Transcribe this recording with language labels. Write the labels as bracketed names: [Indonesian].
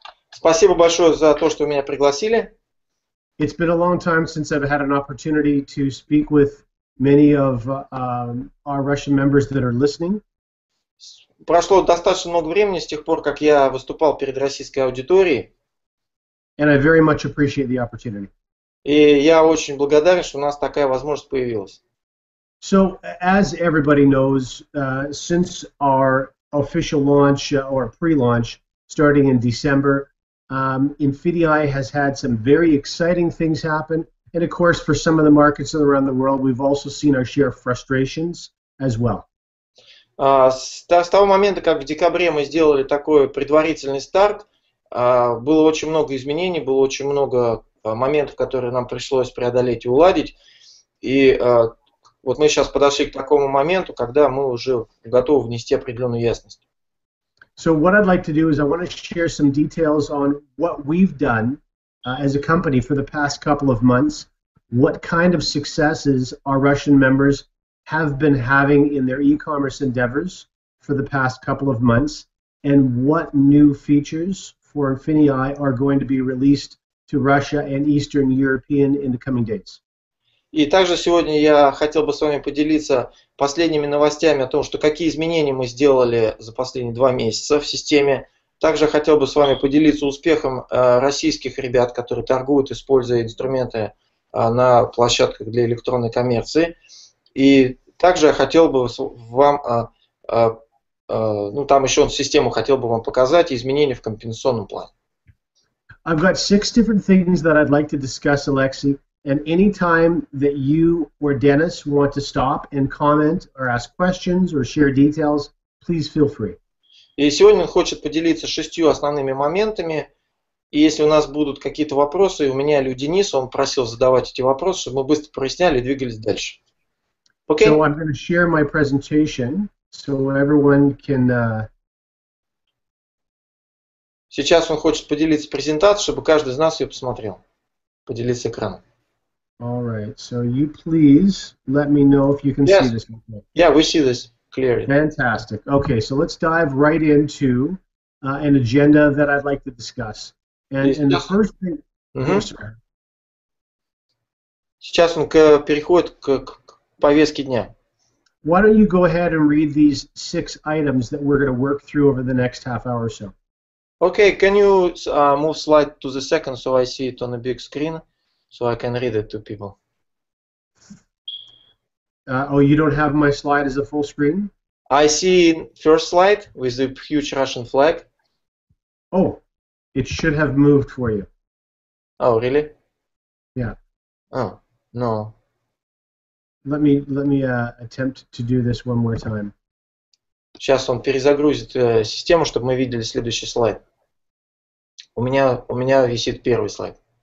[Russian] Спасибо большое за то, что меня пригласили. [English] It's been a long time since I've had an opportunity to speak with many of our Russian members that are listening. [Russian] Прошло достаточно много времени с тех пор, как я выступал перед российской аудиторией. [English] And I very much appreciate the opportunity. [Russian] И я очень благодарен, что у нас такая возможность появилась. [English] So, as everybody knows, since our official launch or pre-launch starting in December, Infinia has had some very exciting things happen. And, of course, for some of the markets around the world, we've also seen our share of frustrations as well. [Russian] С того момента, как в декабре мы сделали такой предварительный старт, было очень много изменений, было очень много моментов, которые нам пришлось преодолеть и уладить. И... вот мы сейчас подошли к такому моменту, когда мы уже готовы внести определенную ясность. [English] So what I'd like to do is I want to share some details on what we've done as a company for the past couple of months, what kind of successes our Russian members have been having in their e-commerce endeavors for the past couple of months, and what new features for Infinia are going to be released to Russia and Eastern European in the coming days. [Russian] И также сегодня я хотел бы с вами поделиться последними новостями о том, что какие изменения мы сделали за последние 2 месяца в системе. Также хотел бы с вами поделиться успехом российских ребят, которые торгуют, используя инструменты на площадках для электронной коммерции. И также я хотел бы вам, там еще систему хотел бы вам показать, изменения в компенсационном плане. [English] I've got 6 different things that I'd like to discuss, Alexei. And any time that you or Dennis want to stop and comment or ask questions or share details, please feel free. [Russian] И сегодня он хочет поделиться 6 основными моментами. И если у нас будут какие-то вопросы, у меня или у Дениса, он просил задавать эти вопросы, чтобы мы быстро проясняли и двигались дальше. [English] Okay. So I'm going to share my presentation so everyone can... [Russian] Сейчас он хочет поделиться презентацией, чтобы каждый из нас ее посмотрел, поделиться экраном. [English] All right, so you please let me know if you can yes. see this. Yeah, we see this clearly. Fantastic. Okay, so let's dive right into an agenda that I'd like to discuss. And the first thing... [Russian] Сейчас он переходит к повестке дня. [English] Why don't you go ahead and read these six items that we're going to work through over the next half hour or so? Okay, can you move slide to the second so I see it on the big screen so I can read it to people? Oh, you don't have my slide as a full screen? I see first slide with the huge Russian flag. Oh, it should have moved for you. Oh, really? Yeah. Oh, no. Let me attempt to do this one more time. [Russian] Сейчас он перезагрузит систему, чтобы мы видели следующий слайд. У меня висит первый слайд.